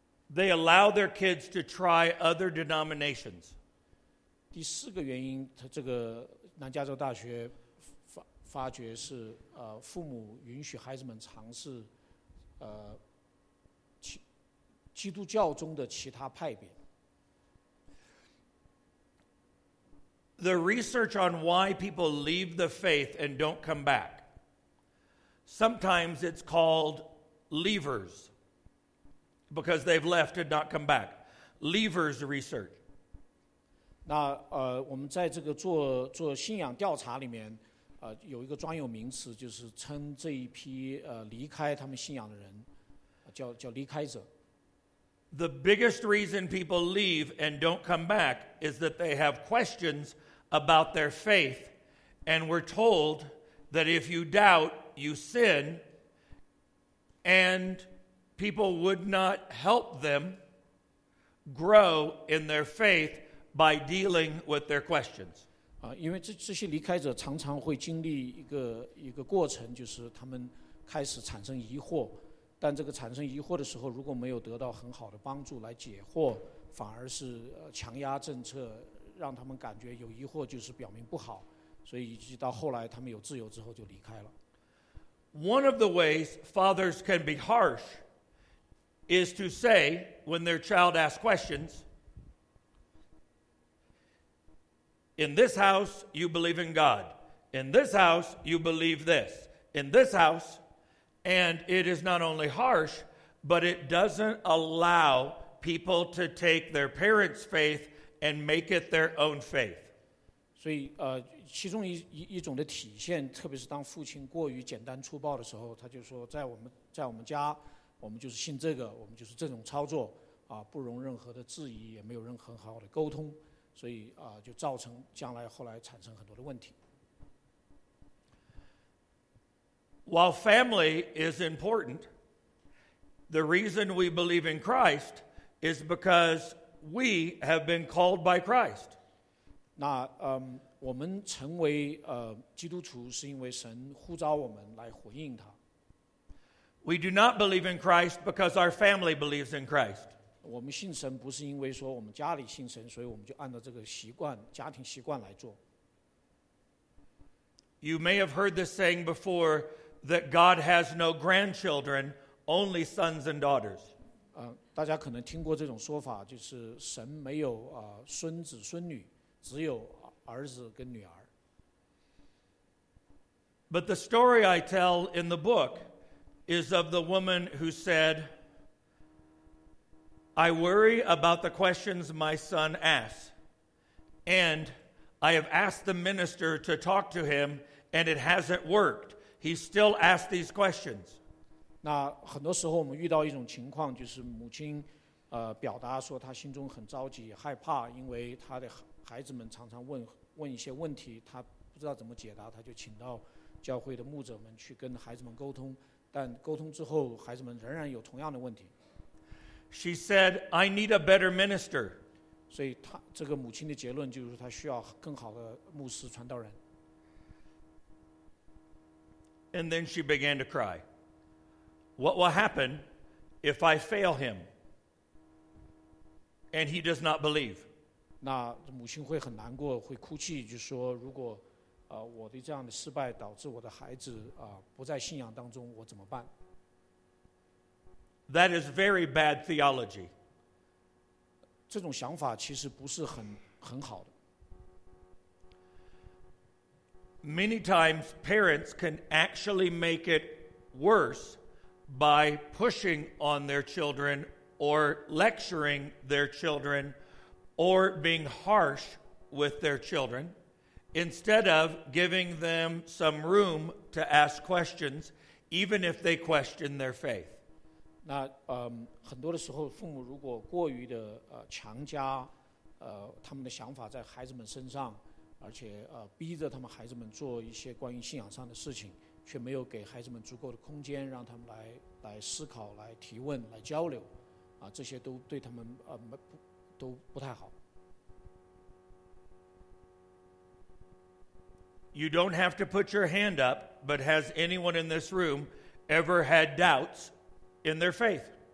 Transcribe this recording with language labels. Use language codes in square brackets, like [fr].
[en] They allow their kids to try other denominations [zh] 第四个原因他这个南加州大学发觉是父母允许孩子们尝试基督教中的其他派别。 [en] The research on why people leave the faith and don't come back. Sometimes it's called leavers because they've left and not come back. Leavers research. [zh] 那我们在这个做信仰调查里面有一个专有名词，就是称这一批离开他们信仰的人，叫离开者。 [en] The biggest reason people leave and don't come back is that they have questions about their faith, and we're told that if you doubt, you sin, and people would not help them grow in their faith by dealing with their questions. [zh] 因为这些离开者常常会经历一个过程，就是他们开始产生疑惑。但这个产生疑惑的时候，如果没有得到很好的帮助来解惑，反而是强压政策让他们感觉有疑惑，就是表明不好，所以直到后来他们有自由之后就离开了。 [en] One of the ways fathers can be harsh is to say when their child asks questions, in this house you believe in God, in this house you believe this, in this houseAnd it is not only harsh, but it doesn't allow people to take their parents' faith and make it their own faith. [zh] 所以其中一种的体现，特别是当父亲过于简单粗暴的时候，他就说在我们家，我们就是信这个，我们就是这种操作，不容任何的质疑，也没有任何好的沟通，所以就造成将来后来产生很多的问题。 [en] While family is important, the reason we believe in Christ is because we have been called by Christ. [zh] 那我们成为基督徒是因为神呼召我们来回应他。 [en] We do not believe in Christ because our family believes in Christ. [zh] 我们信神不是因为说我们家里信神，所以我们就按照这个习惯，家庭习惯来做。 [en] You may have heard this saying before,that God has no grandchildren, only sons and daughters. [zh] 大家可能听过这种说法，就是神没有孙子孙女，只有儿子跟女儿。 [en] But the story I tell in the book is of the woman who said, I worry about the questions my son asks, and I have asked the minister to talk to him, and it hasn't worked. He still asks these questions. [zh] 那很多时候我们遇到一种情况，就是母亲表达说她心中很着急害怕，因为她的孩子们常常问一些问题，她不知道怎么解答，她就请到教会的牧者们去跟孩子们沟通，但沟通之后孩子们仍然有同样的问题。 [en] She said, I need a better minister. [zh] 所以她这个母亲的结论就是她需要更好的牧师传道人。 [en] And then she began to cry. What will happen if I fail him and he does not believe? [zh] 那母亲会很难过，会哭泣，就说如果我的这样的失败导致我的孩子不在信仰当中，我怎么办？ [en] That is very bad theology. [zh] 这种想法其实不是很好的。 [en] Many times parents can actually make it worse by pushing on their children or lecturing their children or being harsh with their children instead of giving them some room to ask questions even if they question their faith. [zh] 那很多的时候父母如果过于的强加他们的想法在孩子们身上，而且逼着他们孩子们做一些关于信仰上的事情，却没有给孩子们足够的空间让他们来思考，来提问，来交流，这些都对他们都不太好。 [en] You don't have to put your hand up, but has anyone in this room ever had doubts in their faith?